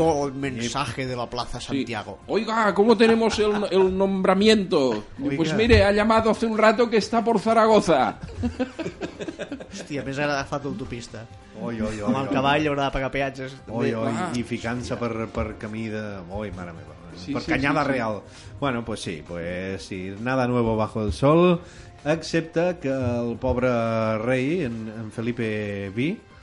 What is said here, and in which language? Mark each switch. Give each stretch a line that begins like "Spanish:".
Spanish: El mensaje de la plaza Santiago. Oiga, ¿cómo tenemos el nombramiento? Pues mire, ha llamado hace un rato que está por Zaragoza.
Catalan: Hòstia, més ha agafat l'autopista. Oi. Amb el cavall haurà de pagar peatges. Oi. I ficant-se per camí de... Oi, mare meva. Sí, per Cañada Real. Sí.
Spanish: Bueno, pues sí, nada nuevo bajo el sol,
Catalan: excepte que el pobre rei,
Spanish: en Felipe Vi.